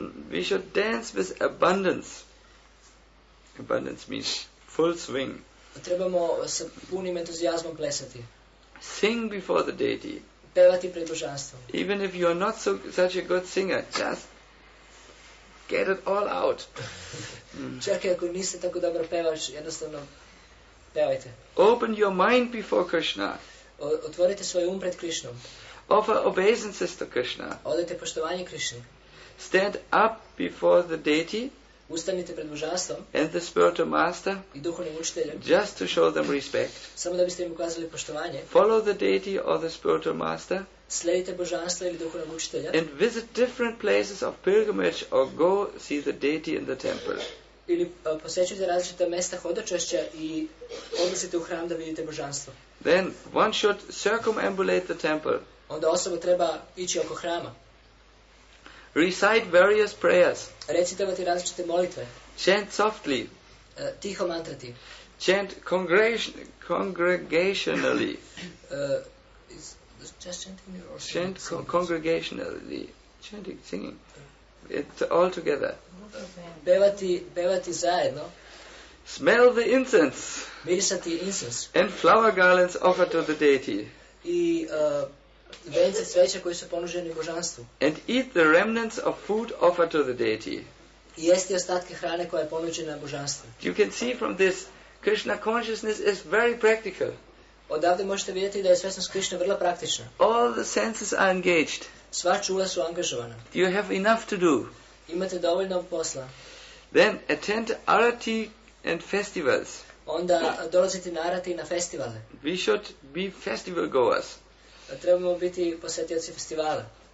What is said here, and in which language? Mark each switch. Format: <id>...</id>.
<en>We should dance with abundance. Abundance means full swing.</en> <sr>Trebamo sa punim entuzijazmom plesati.</sr> <en>Sing before the deity.</en> <sr>Pevati pred božanstvom.</sr> <en>Even if you are not so such a good singer, just get it all out.</en> <sr>Čak i ako niste tako dobro pevač, jednostavno pevajte.</sr> <en>Open your mind before Krishna.</en> <sr>Otvorite svoj um pred Krishnom.</sr> <en>Offer obeisances to Krishna.</en> <sr>Odajte poštovanje Krishni.</sr> <en>Stand up before the deity.</en> <sr>Ustanite pred božanstvom.</sr> <en>And the spiritual master.</en> <sr>I duhovnim učiteljem.</sr> <en>Just to show them respect.</en> <sr>Samo da biste im ukazali poštovanje.</sr> <en>Follow the deity or the spiritual master.</en> <sr>Slijedite božanstvo ili duhovnog učitelja.</sr> <en>And visit different places of pilgrimage or go see the deity in the temple.</en> <sr>Ili posjećujte različita mjesta hodočašća i odlazite u hram da vidite božanstvo.</sr> <en>Then one should circumambulate the temple.</en> <sr>Onda osoba treba ići oko hrama.</sr> <en>Recite various prayers.</en> <sr>Recitovati različite molitve.</sr> <en>Chant softly.</en> <sr>Tiho mantrati.</sr> <en>Chant congregationally. Just chanting or singing? Chant congregationally. Chanting, singing. It's all together.</en> <sr>Bevati zajedno.</sr> <en>Smell the incense.</en> <sr>Mirisati incense.</sr> <en>And flower garlands offered to the deity.</en> <sr>Vence sveća koji su ponuženi božanstvu.</sr> <en>And eat the remnants of food offered to the deity.</en> <sr>Jesti ostatke hrane koja je ponuđena božanstvu.</sr> <en>You can see from this, Krishna consciousness is very practical.</en> <sr>Odavde možete vidjeti da je svjesnost Krishna vrlo praktična.</sr> <en>All the senses are engaged.</en> <sr>Sva čula su angažovana.</sr> <en>You have enough to do.</en> <sr>Imate dovoljno posla.</sr> <en>Then attend arati and festivals.</en> <sr>Onda dolazite na arati i na festivale.</sr> <en>We should be festival goers.</en> <sr>Trebamo biti posjetioci festivala.</sr>